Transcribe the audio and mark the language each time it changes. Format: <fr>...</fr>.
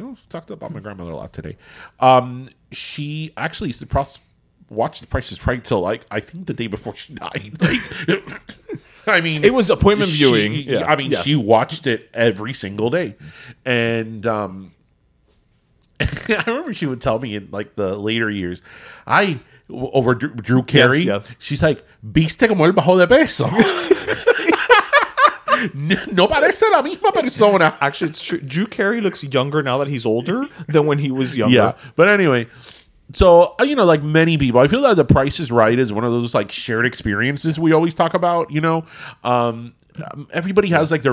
<en>Oh, talked about my grandmother a lot today. She actually used to watch The Price is Right till, like, I think the day before she died. Like, I mean, it was appointment viewing. Yeah. I mean, yes. She watched it every single day. And I remember she would tell me in, like, the later years, over Drew Carey, yes.</en> <es>She's like, ¿viste como el bajo de peso? No parece la misma persona.</es> <en>Actually, it's true. Drew Carey looks younger now that he's older than when he was younger. Yeah. But anyway, so, you know, like many people, I feel that The Price is Right is one of those like shared experiences we always talk about, you know. Everybody has like their</en>